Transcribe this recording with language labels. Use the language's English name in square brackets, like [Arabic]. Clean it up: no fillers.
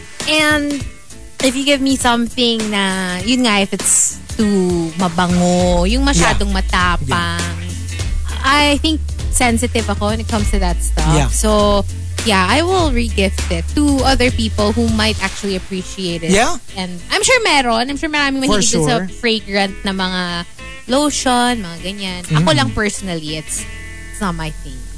[English] And, if you give me something na, yun nga, if it's too mabango, [Filipino] yung masyadong matapang, [English] I think, sensitive ako when it comes to that stuff. Yeah. So, yeah, I will re-gift it to other people who might actually appreciate it. Yeah. And I'm sure meron. I'm sure [Filipino] marami mahilig [English] for sure [Filipino] sa fragrant na mga lotion, mga ganyan. [English] Mm. Ako lang personally, it's not my thing.